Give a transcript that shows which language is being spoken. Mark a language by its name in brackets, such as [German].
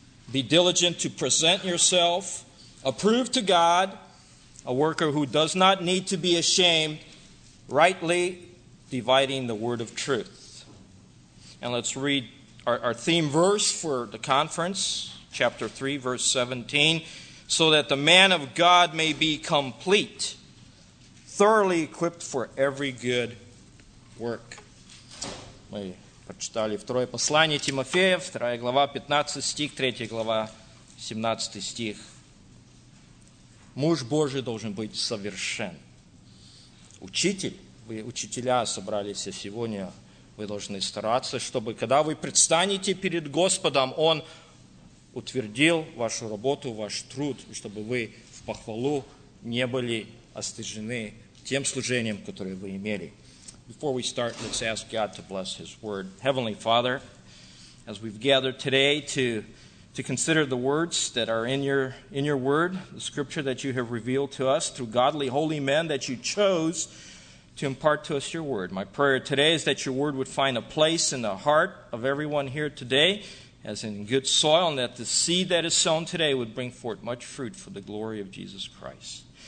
[English] Be diligent to present yourself, approved to God, a worker who does not need to be ashamed, rightly dividing the word of truth. And let's read our theme verse for the conference, chapter 3, verse 17, so that the man of God may be complete, thoroughly equipped for every good work. [Russian] Мы прочитали второе послание Тимофея, вторая глава, 15 стих, третья глава, 17 стих. Муж Божий должен быть совершен. Учитель, вы учителя собрались сегодня, вы должны стараться, чтобы, когда вы предстанете перед Господом, Он утвердил вашу работу, ваш труд, чтобы вы в похвалу не были остыжены тем служением, которое вы имели. [English] Before we start, let's ask God to bless His Word. Heavenly Father, as we've gathered today to consider the words that are in your Word, the Scripture that You have revealed to us through godly, holy men that You chose to impart to us Your Word. My prayer today is that Your Word would find a place in the heart of everyone here today, as in good soil, and that the seed that is sown today would bring forth much fruit for the glory of Jesus Christ.